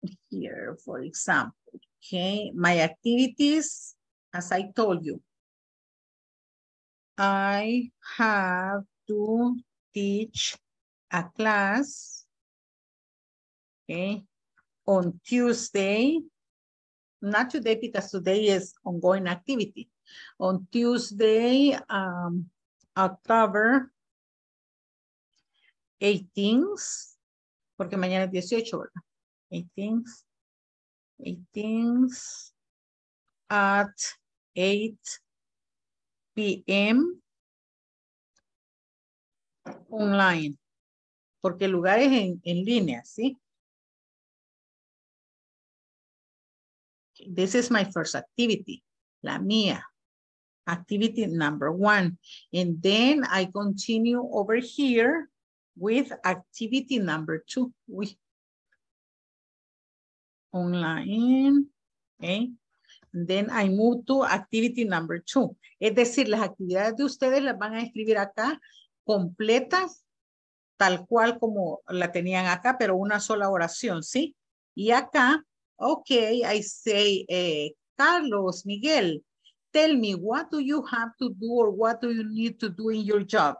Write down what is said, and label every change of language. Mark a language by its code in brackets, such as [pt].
[en] Here, for example. Okay, my activities, as I told you, I have to teach a class Okay. On Tuesday, not today because today is ongoing activity. On Tuesday, October 18th, [es] porque mañana es 18, ¿verdad? [en] 18th at 8 p.m. [es] online, porque el lugar es en línea, ¿sí? [en] This is my first activity, [es] la mía. [en] Activity number one. And then I continue over here with activity number two. Uy. Online. Okay. And then I move to activity number two. [es] Es decir, las actividades de ustedes las van a escribir acá completas, tal cual como la tenían acá, pero una sola oración, ¿sí? Y acá, [en] okay, I say, Carlos, Miguel, tell me, what do you have to do or what do you need to do in your job?